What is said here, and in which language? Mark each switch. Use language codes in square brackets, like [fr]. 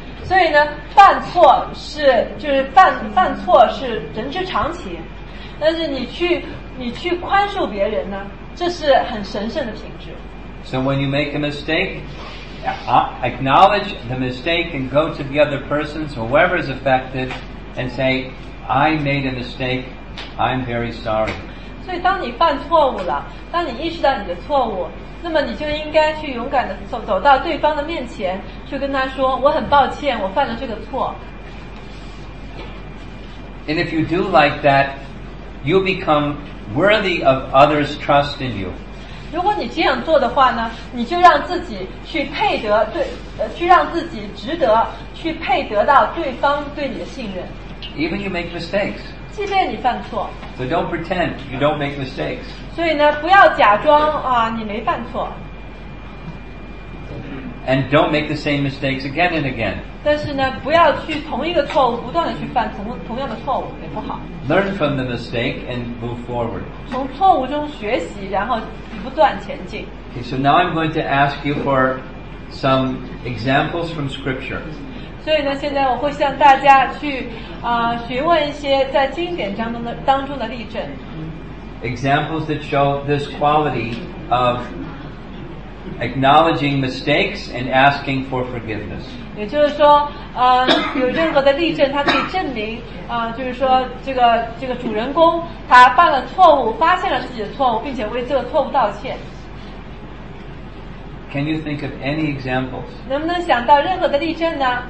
[zh] 所以呢，犯错是就是犯错是人之常情，但是你去你去宽恕别人呢，这是很神圣的品质。 [en] So when you make a mistake, acknowledge the mistake and go to the other person, whoever is affected, and say, I made a mistake, I'm very sorry. [zh] 所以当你犯错误了，当你意识到你的错误，那么你就应该去勇敢地 走到对方的面前，去跟他说，我很抱歉，我犯了这个错。 [en] And if you do like that, you become worthy of others' trust in you. [zh] 如果你这样做的话呢，你就让自己去配得对，去让自己值得去配得到对方对你的信任。 [en] Even you make mistakes. [zh] 即便你犯错。 [en] So don't pretend you don't make mistakes. [zh] 所以呢，不要假装啊，你没犯错。 [en] And don't make the same mistakes again and again. [zh] 但是呢，不要去同一个错误不断的去犯同样的错误，也不好。 [en] Learn from the mistake and move forward. [zh] 从错误中学习，然后不断前进。 [en] Okay, so now I'm going to ask you for some examples from Scripture. [zh] 所以呢，现在我会向大家去询问一些在经典当中的例证。 [en] Examples that show this quality of acknowledging mistakes and asking for forgiveness. [zh] 也就是说，有任何的例证，它可以证明，就是说这个主人公他犯了错误，发现了自己的错误，并且为这个错误道歉。 [en] Can you think of any examples? [zh] 能不能想到任何的例证呢？